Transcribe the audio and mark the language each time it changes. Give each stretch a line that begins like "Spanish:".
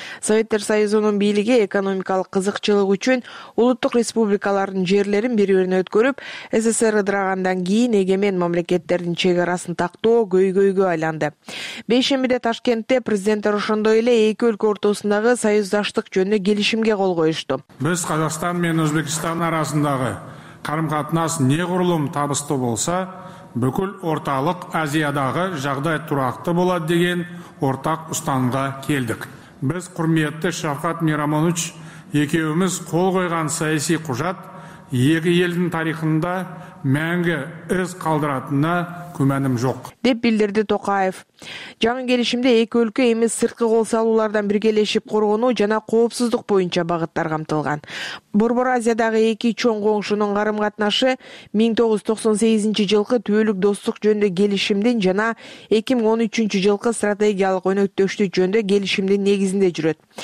Kyrgyz: Советтер Союзунун бийлиги экономикалык кызыкчылык үчүн улуттук республикалардын жерлерин бири бирине өткөрүп, СССР ыдырагандан кийин эгемен мамлекеттердин чек арасын тактоо көйгөйгө айланды. Бейшембиде Ташкентте президенттер ошондой эле эки өлкө ортосундагы союздаштык жөнүндө келишимге кол коюшту. Биз Казакстан менен Өзбекстан арасындагы карым-катнаш
Kazakh: неғұрлым табысты болса, бүкіл орталық Азиядағы жағдай тұрақты болады деген ортақ ұстанға келдік. Біз құрметті Шавкат Мирамонович екеуіміз қол қойған саяси құжат екі елдің тарихында мәңгі із қалдыратынына күмәнім жоқ.
Kyrgyz: Деп білдірді Токаев. Жаңы келишимде эки өлкө эми сырткы кол салуулардан биргелешип коргонуу жана коопсуздук боюнча багыттар камтылган. Борбор Азиядагы эки чоң коңшунун карым катнашы 1998 жылкы түбөлүк достук жөнүндө келишимдин жана 2013 жылкы стратегиялык өнөктөштүк жөнүндө келишимдин негизинде жүрөт.